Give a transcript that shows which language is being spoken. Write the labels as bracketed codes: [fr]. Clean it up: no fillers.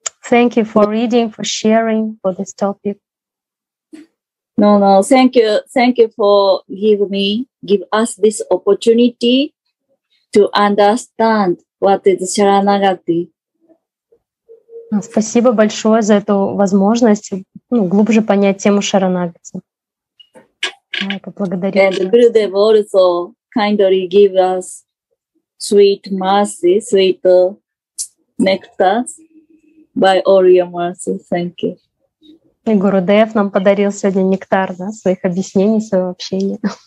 [en] Thank you for reading, for sharing, for this topic. No. Thank you for give us this opportunity to understand what is Sharanagati. [ru] Спасибо большое за эту возможность, ну, глубже понять тему Шаранагати. Я поблагодарю. [en] And Gurudev also kindly give us sweet mercy, sweet nectar by all your mercy. Thank you. [ru] И Гурудев нам подарил сегодня нектар, да, своих объяснений, своего общения.